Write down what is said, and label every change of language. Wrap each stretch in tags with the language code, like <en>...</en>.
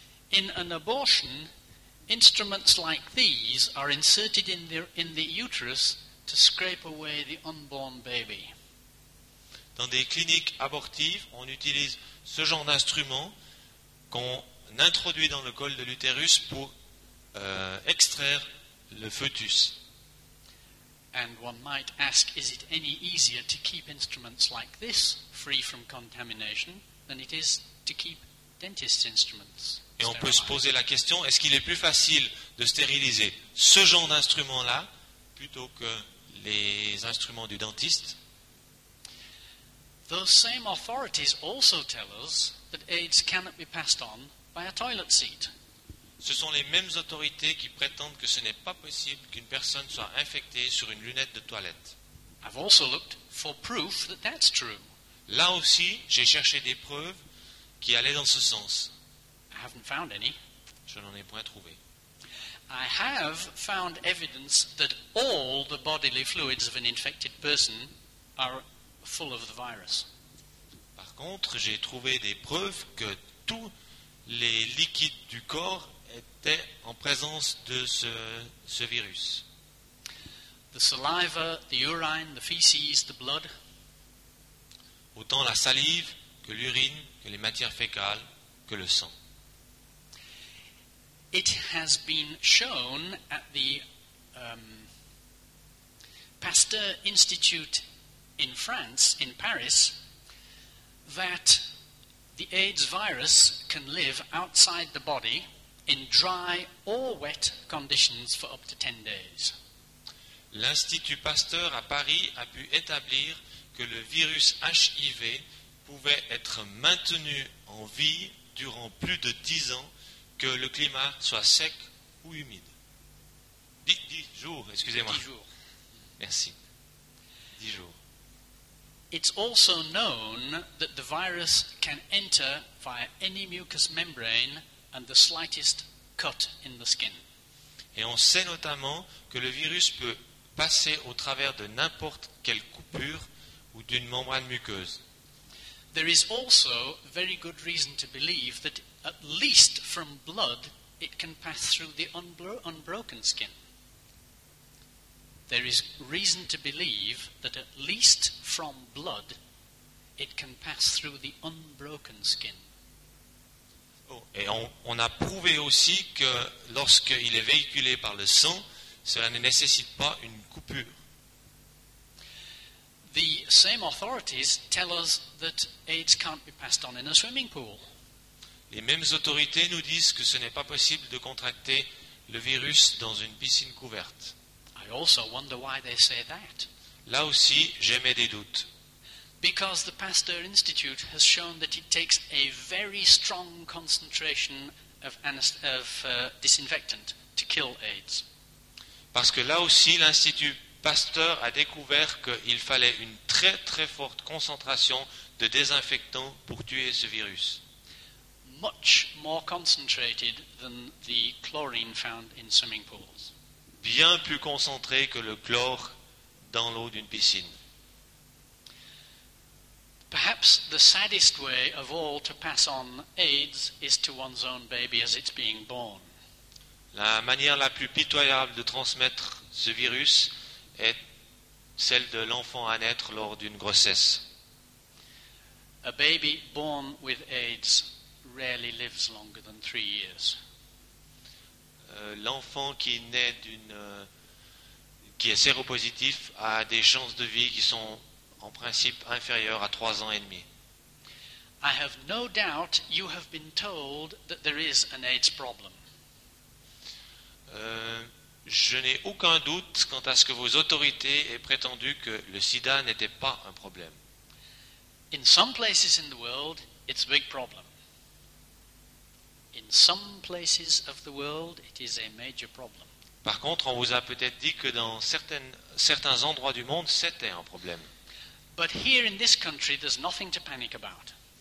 <en>In an abortion, instruments like these are inserted in the uterus to scrape away the unborn baby.</en> <fr>Dans des cliniques abortives, on utilise ce genre d'instruments qu'on introduit dans le col de l'utérus pour extraire le fœtus.</fr> <en>And one might ask, is it any easier to keep instruments like this free from contamination than it is to keep dentist instruments sterilized?</en> <fr>Et on peut se poser la question, est-ce qu'il est plus facile de stériliser ce genre d'instrument-là plutôt que les instruments du dentiste?</fr> <en>Those same authorities also tell us that AIDS cannot be passed on by a toilet seat.</en> <fr>Ce sont les mêmes autorités qui prétendent que ce n'est pas possible qu'une personne soit infectée sur une lunette de toilette.</fr> <en>I've also looked for proof that that's true.</en> <fr>Là aussi, j'ai cherché des preuves qui allaient dans ce sens.</fr> <en>I haven't found any.</en> <fr>Je n'en ai point trouvé.</fr> <en>I have found evidence that all the bodily fluids of an infected person are full of the virus.</en> <fr>Par contre, j'ai trouvé des preuves que tout les liquides du corps étaient en présence de ce virus.</fr> <en>The saliva, the urine, the feces, the blood.</en> <fr>Autant la salive que l'urine, que que les matières fécales, que le sang.</fr> <en>It has been shown at the Pasteur Institute in France, in Paris, that the AIDS virus can live outside the body in dry or wet conditions for up to 10 days.</en> <fr>L'Institut Pasteur à Paris a pu établir que le virus HIV pouvait être maintenu en vie durant plus de 10 ans, que le climat soit sec ou humide. 10 jours. 10 jours. Merci. 10 jours.</fr> <en>It's also known that the virus can enter via any mucous membrane and the slightest cut in the skin.</en> <fr>Et on sait notamment que le virus peut passer au travers de n'importe quelle coupure ou d'une membrane muqueuse.</fr> <en>There is also very good reason to believe that at least from blood it can pass through the unbroken skin. There is reason to believe that at least from blood it can pass through the unbroken skin.</en> <fr>Oh, et on a prouvé aussi que lorsqu'il est véhiculé par le sang, cela ne nécessite pas une coupure.</fr> <en>The same authorities tell us that AIDS can't be passed on in a swimming pool.</en> <fr>Les mêmes autorités nous disent que ce n'est pas possible de contracter le virus dans une piscine couverte.</fr> <en>I also wonder why they say that.</en> <fr>Là aussi, j'émets des doutes.</fr> <en>Because the Pasteur Institute has shown that it takes a very strong concentration of disinfectant to kill AIDS.</en> <fr>Parce que là aussi, l'Institut Pasteur a découvert qu'il fallait une très très forte concentration de désinfectant pour tuer ce virus.</fr> <en>Much more concentrated than the chlorine found in swimming pools.</en> <fr>Bien plus concentré que le chlore dans l'eau d'une piscine.</fr> <en>Perhaps the saddest way of all to pass on AIDS is to one's own baby as it's being born.</en> <fr>La manière la plus pitoyable de transmettre ce virus est celle de l'enfant à naître lors d'une grossesse.</fr> <en>A baby born with AIDS rarely lives longer than 3 years.</en> <fr>L'enfant qui naît qui est séropositif a des chances de vie qui sont en principe inférieures à 3 ans et demi.</fr> <en>I have no doubt you have been told that there is an AIDS problem.</en> <fr>Je n'ai aucun doute quant à ce que vos autorités aient prétendu que le sida n'était pas un problème.</fr> <en>In some places in the world, it's a big problem. In some places of the world, it is a major problem.</en> <fr>Par contre, on vous a peut-être dit que dans certains endroits du monde, c'était un problème.</fr> <en>But here in this country, there's nothing to panic about.</en>